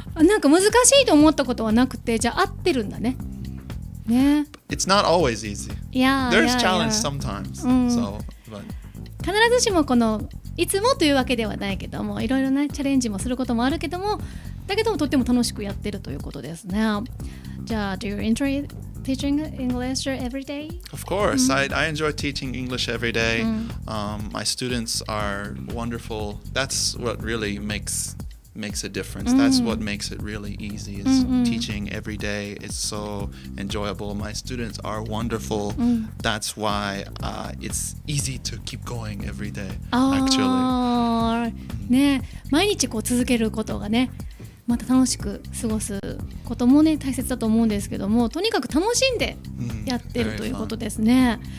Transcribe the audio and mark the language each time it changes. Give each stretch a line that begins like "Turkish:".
Japanese: なんか難しいと思ったことはなくて、じゃあ合ってるんだね。ね。
English: It's not always easy. Yeah, There's yeah, challenge yeah. sometimes.、So, but...
Japanese: 必ずしもこの、いつもというわけではないけども、いろいろな、ね、チャレンジもすることもあるけども、だけどもとっても楽しくやってるということですね。
English: じゃあ、Do you enjoy teaching English every day? Of course.、Mm-hmm. I enjoy teaching English every day.、My students are wonderful. That's what really makes a difference. That's what makes it really easy is teaching every day. It's so enjoyable. My students are wonderful. That's why it's easy to keep going every day, actually.
Japanese: ね、毎日こう続けることがね、また楽しく過ごすこともね、大切だと思うんですけども、とにかく楽しんでやってるということですね。